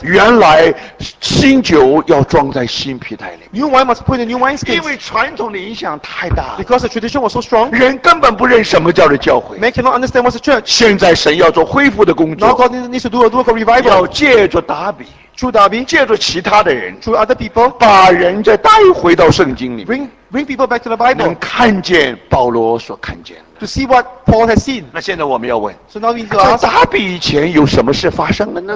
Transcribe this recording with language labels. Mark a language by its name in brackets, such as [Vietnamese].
[Chinese] 原来新酒要装在新皮袋里。 [English] New wine must put in new wine skins. [Chinese] 因为传统的影响太大。 [English] Because the tradition was so strong. [Chinese] 人根本不认什么叫做教会。 [English] Man cannot understand what's a church. [Chinese] 现在神要做恢复的工作。 [English] Now God needs to do a revival. [Chinese] 要借着达比 [English] through David, [Chinese] 借助其他的人 [English] through other people, [Chinese] 把人再带回到圣经里 [English] bring people back to the Bible, [Chinese] 能看见保罗所看见的 [English] to see what Paul has seen. [Chinese] 那现在我们要问 [English] so now we need to ask, [Chinese] 在大比以前有什么事发生了呢